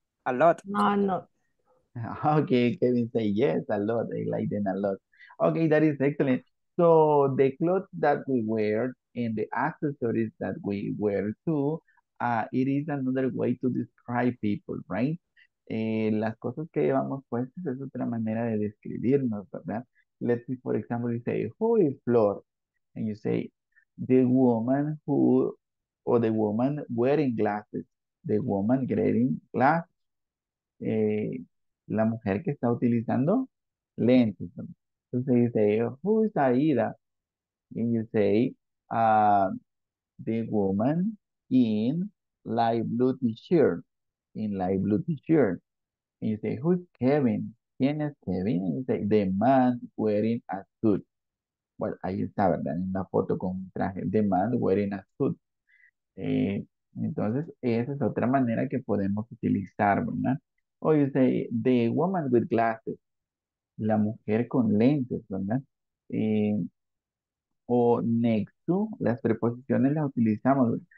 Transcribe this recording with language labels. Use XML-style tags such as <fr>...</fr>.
<en>A lot. No. Okay, Kevin say yes, a lot. I like them a lot. Okay, that is excellent. So the clothes that we wear and the accessories that we wear too, it is another way to describe people, right?</en> <es>Las cosas que llevamos puestas es otra manera de describirnos, ¿verdad?</es> <en>Let's see, for example, you say, who is Flor? And you say, the woman who, or the woman wearing glasses, the woman wearing glasses,</en> <es>la mujer que está utilizando lentes.</es> <en>Entonces, you say, who is Aida? And you say, the woman in light blue t-shirt, in light blue t-shirt. And you say, who is Kevin?</en> <es>¿Quién es Kevin?</es> <en>And you say, the man wearing a suit.</en> <es>Well, ahí está, ¿verdad? En la foto con un traje.</es> <en>The man wearing a suit.</en> <es>Entonces, esa es otra manera que podemos utilizar, ¿verdad?</es> <en>O you say, the woman with glasses.</en> <es>La mujer con lentes, ¿verdad? O next to, las preposiciones las utilizamos.</es>